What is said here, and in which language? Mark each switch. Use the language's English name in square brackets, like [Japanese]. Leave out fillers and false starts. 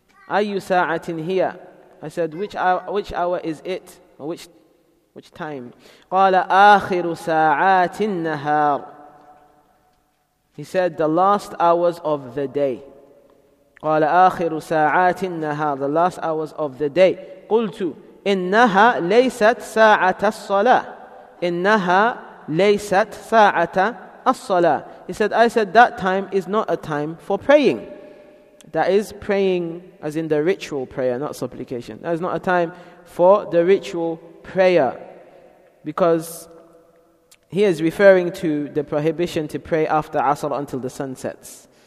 [Arabic] أَيُّ سَاعَةٍ هِيَ. [English] I said, which hour is it? Or which time? [Arabic] قال آخر ساعات النهار. [English] He said the last hours of the day. [Arabic] قال آخر ساعات النهار. [English] The last hours of the day. [Arabic] قلت إنها ليست ساعة الصلاة. إنها ليست ساعة الصلاة. [English] He said, I said that time is not a time for praying. That is praying as in the ritual prayer, not supplication. That is not a time for the ritual prayer. Because he is referring to the prohibition to pray after Asr until the sun sets.